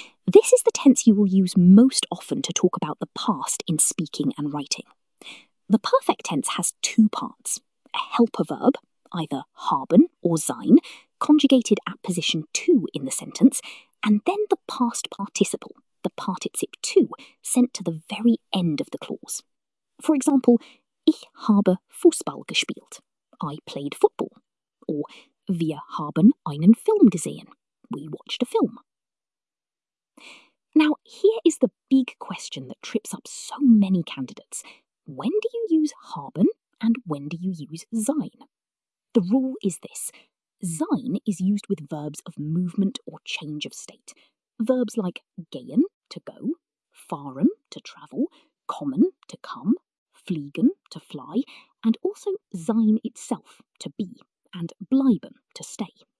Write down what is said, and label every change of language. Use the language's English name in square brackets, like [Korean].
[English] This is the tense you will use most often to talk about the past in speaking and writing. The perfect tense has two parts: a helper verb, either haben or sein, conjugated at position 2 in the sentence, and then the past participle, the Partizip 2, sent to the very end of the clause. For example, [German] ich habe Fußball gespielt, [English] I played football, or [German] wir haben einen Film gesehen, [English] we watched a film. Now, here is the big question that trips up so many candidates. When do you use haben and when do you use sein? The rule is this: sein is used with verbs of movement or change of state. Verbs like gehen, to go, fahren, to travel, kommen, to come, fliegen, to fly, and also sein itself, to be, and bleiben, to stay.